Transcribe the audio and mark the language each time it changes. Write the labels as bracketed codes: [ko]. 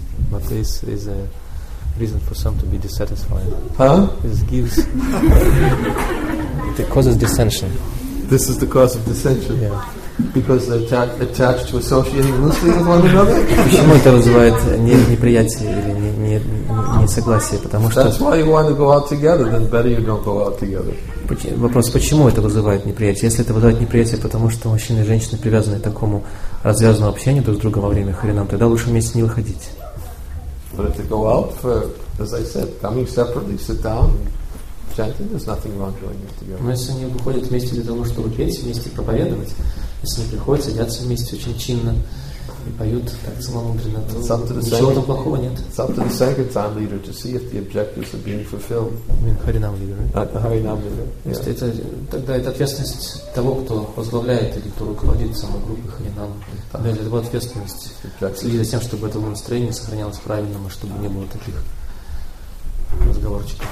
[en] But this is a reason for some to be dissatisfied. Huh? This gives. It causes dissension. This is the cause of dissension. Yeah. Because they're attached to associating loosely with one another. [ru] Почему это вызывает неприятие или несогласие? Потому что. [en] That's why you want to go out together. Then better you don't go out together. [ru] Вопрос: почему это вызывает неприятие? Если это вызывает неприятие, потому что мужчины и женщины привязаны к такому развязанному общению друг с другом во время харинам, тогда лучше вместе не выходить. [en] But if they go out for, as I said, coming separately, sit down. Chanting, there's nothing wrong doing it together. [ru] Но если они выходят вместе для того, чтобы петь, вместе проповедовать, если они приходят, садятся вместе очень чинно и поют так целомудренно, то ничего там плохого нет. [en] It's up to the second time leader to see if the objectives are being fulfilled. I mean, Харинам leader, right? The Харинам leader, yeah. [ru] То есть тогда это ответственность того, кто возглавляет или кто руководит самой группой Харинам. Но это его ответственность следить за тем, чтобы это настроение сохранялось правильным, и чтобы не было таких разговорчиков.